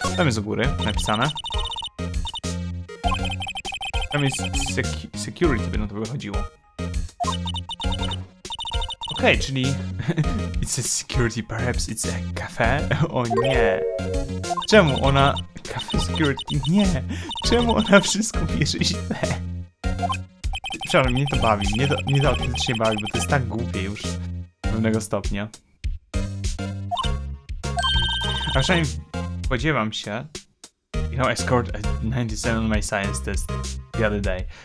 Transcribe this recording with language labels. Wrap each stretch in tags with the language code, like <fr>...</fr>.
<pl>Tam jest u góry napisane. Tam jest security, by na to wychodziło. Okej, czyli...</pl> <en>It's a security, perhaps it's a cafe?</en> <pl>O nie! Czemu ona... Cafe security? Nie! Czemu ona wszystko bierze źle? Przepraszam, mnie to bawi. Mnie to autentycznie bawi, bo to jest tak głupie już. Do pewnego stopnia. A przynajmniej spodziewam się...</pl> <en>You know, I scored a 97 on my science test the other day.</en>